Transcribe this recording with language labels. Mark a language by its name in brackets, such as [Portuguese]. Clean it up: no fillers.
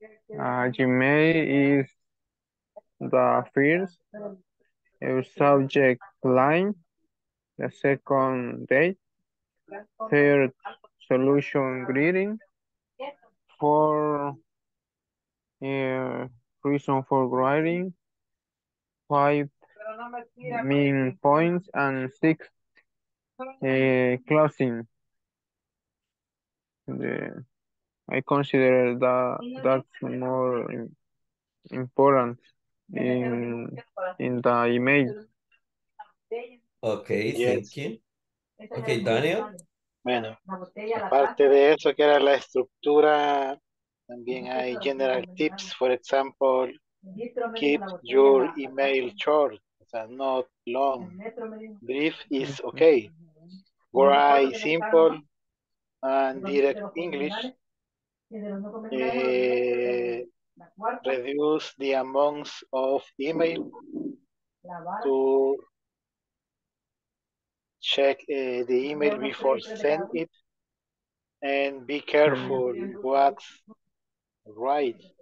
[English] Gmail is the first subject line, the second date, third solution greeting, fourth reason for writing, five main points, and sixth closing. I consider that's more important in the email. Okay, yes. Thank you. Okay, Daniel. [Spanish] Bueno, aparte de eso que era la estructura, también hay general tips. [English] For example, keep your email short, so not long. Brief is okay. Write simple and direct English. Reduce the amounts of email to check the email before send it, and be careful what's right.